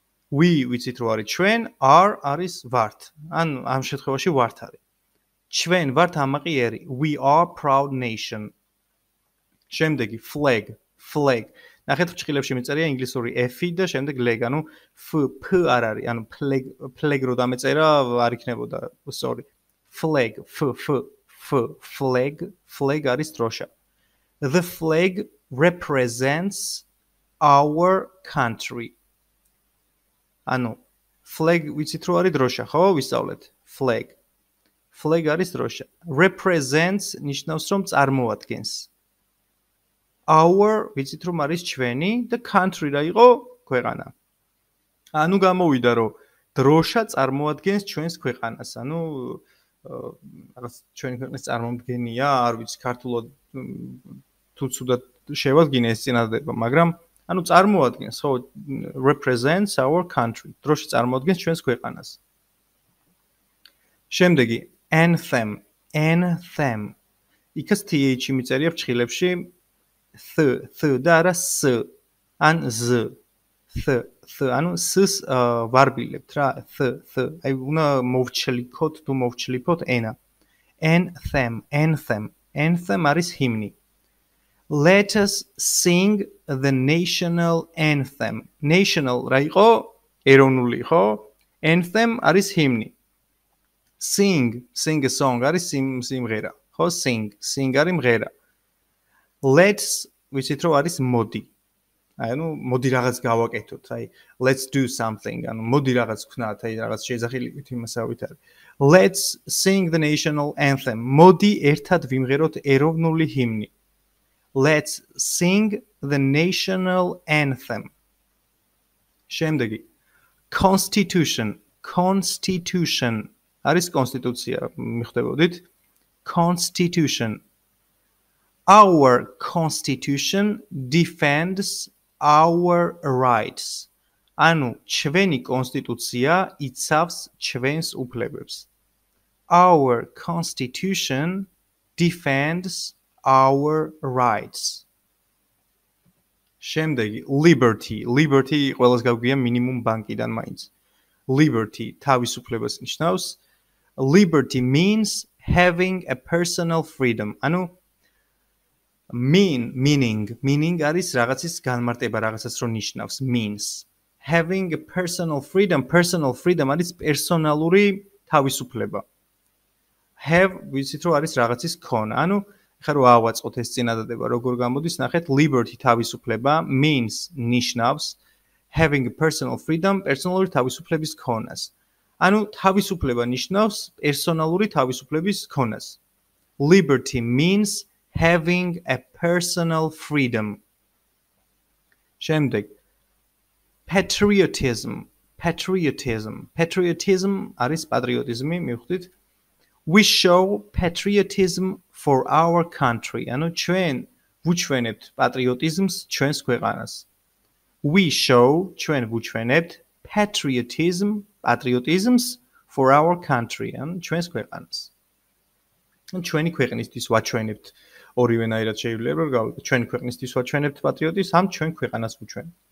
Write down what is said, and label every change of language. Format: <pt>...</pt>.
<ka>We, ვიცით რო არის ჩვენ, are არის ვართ. ან ამ შემთხვევაში ვართ არის. ჩვენ ვართ ამაყი ერი.</ka> <en>We are proud nation.</en> <ka>შემდეგი flag. Flag. ნახეთ, ფრჩხილებში მიწერია ინგლისური F და შემდეგ leg, ანუ F, P არ არის, ანუ flag, flag რო დამეწერა არ იქნებოდა, sorry.</ka> <en>Flag, F, F, F, flag, flag</en> <ka>არის დროშა.</ka> <en>The flag represents our country.</en> <ka>ანუ flag, ვიცით რო არის დროშა, ხო? ვისწავლეთ. Flag. Flag არის დროშა. Represents ნიშნავს, რომ წარმოადგენს. Our, ვიცით რომ არის ჩვენი, და country რა იყო? ქვეყანა. ანუ გამოვიდა, რომ დროშა წარმოადგენს ჩვენს ქვეყანას. ანუ რაღაც ჩვენი ქვეყნის წარმომადგენია, არ ვიცი ქართულად თუ ცუდად შევადგინე ეს წინადადება, მაგრამ ანუ წარმოადგენს, ხო?</ka> <en>Represents our country.</en> <ka>დროშა წარმოადგენს ჩვენს ქვეყანას. შემდეგი, anthem. Anthem. იქაც TH-ი მიწერია ფრჩხილებში. Th, th, და არა s, ან z, th, th, ანუ s-ს ვარბილებთ რა, th, th, აი უნდა მოვჩლიქოთ, თუ მოვჩლიფოთ ენა.</ka> <en>Anthem, anthem, anthem</en> <ka>არის ჰიმნი.</ka> <en>Let us sing the national anthem.</en> <ka>National რა იყო? ეროვნული, ხო? Anthem არის ჰიმნი.</ka> <en>Sing, sing a song</en> <ka>არის სიმღერა, ხო? Sing, sing არის მღერა. Let's, ვიცით რომ არის მოდი. აი, ანუ მოდი რაღაც გავაკეთოთ, აი</ka> <en>let's do something,</en> <ka>ანუ მოდი რაღაც ვქნათ, აი რაღაც შეძახილივით იმასავით არის.</ka> <en>Let's sing the national anthem.</en> <ka>მოდი ერთად ვიმღეროთ ეროვნული ჰიმნი.</ka> <en>Let's sing the national anthem.</en> <ka>შემდეგი. Constitution. Constitution არის კონსტიტუცია, მიხვდებოდით?</ka> <en>Constitution. Our constitution defends our rights.</en> <ka>Ანუ ჩვენი კონსტიტუცია იცავს ჩვენს უფლებებს.</ka> <en>Our constitution defends our rights.</en> <ka>შემდეგი, liberty. Liberty ყველას გაგვია მინიმუმ ბანკიდან მაინც. Liberty თავისუფლებას ნიშნავს.</ka> <en>Liberty means having a personal freedom.</en> <ka>ანუ meaning არის რაღაცის განმარტება, რაღაცას რო ნიშნავს.</ka> <en>Means having a personal freedom.</en> <ka>Personal freedom არის პერსონალური თავისუფლება. Have, ვიცით რო არის რაღაცის ქონა. ანუ ხა რო ავაწყოთ ეს წინადადება როგორ გამოდის, ნახეთ. Liberty თავისუფლება, means ნიშნავს</ka> <en>having a personal freedom,</en> <ka>პერსონალური თავისუფლების ქონას. ანუ თავისუფლება ნიშნავს პერსონალური თავისუფლების ქონას.</ka> <en>Liberty means having a personal freedom.</en> <ka>შემდეგ, patriotism. Patriotism. Patriotism არის პატრიოტიზმი, მიხვდით?</ka> <en>We show patriotism for our country.</en> <ka>ანუ ჩვენ ვუჩვენებთ პატრიოტიზმს ჩვენს ქვეყანას. We show, ჩვენ ვუჩვენებთ patriotism, პატრიოტიზმს</ka> <en>for our country,</en> <ka>ანუ ჩვენს ქვეყანას. ან ჩვენი ქვეყნისთვის ვაჩვენებთ. ორივენაირად შეიძლება რომ გავიგოთ, ჩვენ ქვეყნისთვის ვაჩვენებთ პატრიოტიზმს, ამ ჩვენ ქვეყანას ვუჩვენ.</ka>